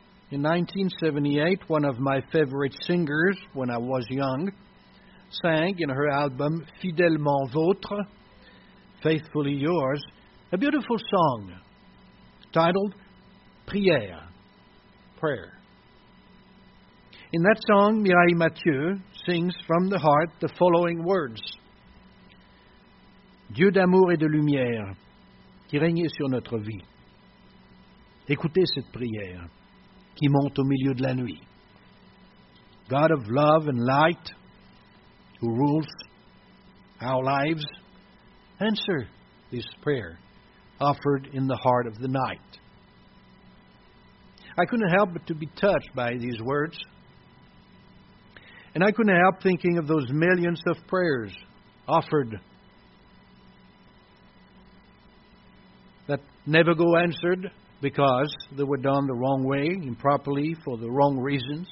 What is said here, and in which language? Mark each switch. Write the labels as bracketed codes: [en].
[en] In 1978, one of my favorite singers when I was young sang in her album Fidèlement Vôtre, Faithfully Yours, a beautiful song titled Prière, Prayer. In that song, Mireille Mathieu sings from the heart the following words: [fr] Dieu d'amour et de lumière, qui régnait sur notre vie, écoutez cette prière qui monte au milieu de la nuit. [en] God of love and light, who rules our lives, answer this prayer offered in the heart of the night. I couldn't help but to be touched by these words. And I couldn't help thinking of those millions of prayers offered that never go answered because they were done the wrong way, improperly, for the wrong reasons.